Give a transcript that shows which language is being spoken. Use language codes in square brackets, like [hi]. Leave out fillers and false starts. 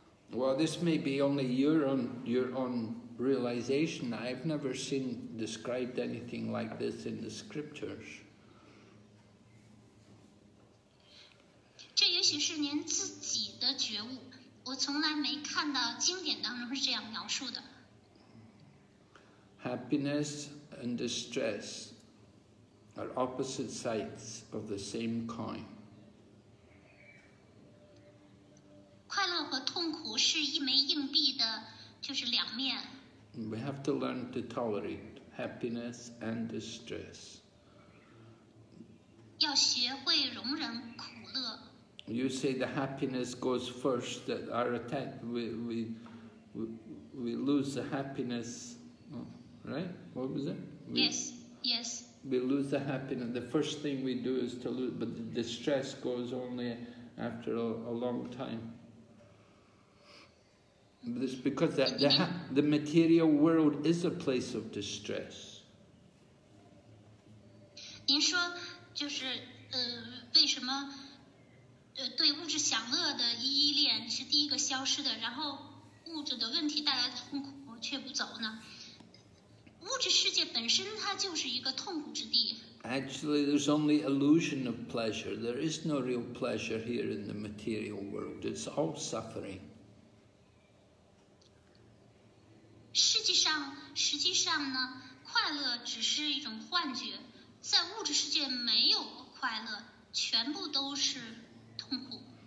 [en] Well, this may be only your own realization. I've never seen described anything like this in the scriptures. [zh] 这也许是您自己的觉悟，我从来没看到经典当中是这样描述的。 [en] Happiness and distress. Are opposite sides of the same coin. [zh] 快乐和痛苦是一枚硬币的，就是两面。 [en] We have to learn to tolerate happiness and distress. [zh] 要学会容忍苦乐。 [en] You say the happiness goes first. That our attack, we lose the happiness, right? What was it? Yes. We lose the happiness. The first thing we do is to lose, but the distress goes only after a long time. It's because the material world is a place of distress. [zh] 您说就是为什么对物质享乐的依恋是第一个消失的，然后物质的问题带来的痛苦却不走呢？物质世界本身它就是一个痛苦之地。 [en] Actually, there's only illusion of pleasure. There is no real pleasure here in the material world. It's all suffering. [zh] 实际上呢，快乐只是一种幻觉，在物质世界没有快乐，全部都是痛苦。